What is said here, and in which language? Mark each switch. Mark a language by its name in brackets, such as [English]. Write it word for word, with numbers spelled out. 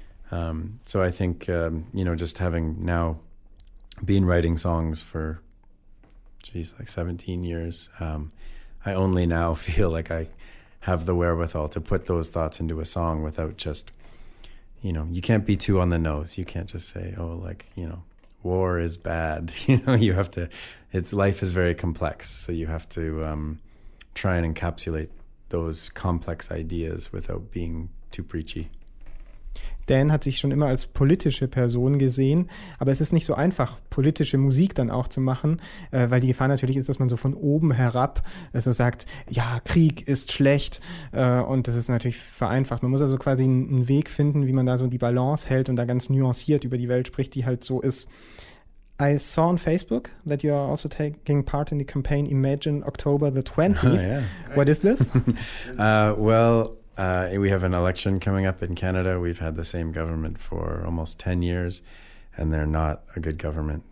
[English] Um, so I think, um, you know, just having now been writing songs for, geez, like seventeen years, um, I only now feel like I have the wherewithal to put those thoughts into a song without just, you know, you can't be too on the nose. You can't just say, oh, like, you know, war is bad. You know, you have to, it's, life is very complex. So you have to um, try and encapsulate those complex ideas without being too preachy. [German] Dan hat sich schon immer als politische Person gesehen, aber es ist nicht so einfach, politische Musik dann auch zu machen, äh, weil die Gefahr natürlich ist, dass man so von oben herab äh, so sagt, ja, Krieg ist schlecht, äh, und das ist natürlich vereinfacht. Man muss also quasi einen, einen Weg finden, wie man da so die Balance hält und da ganz nuanciert über die Welt spricht, die halt so ist. [English] I saw on Facebook that you are also taking part in the campaign Imagine October the twentieth. Oh, yeah. What is this? uh, well, uh, we have an election coming up in Canada. We've had the same government for almost ten years, and they're not a good government.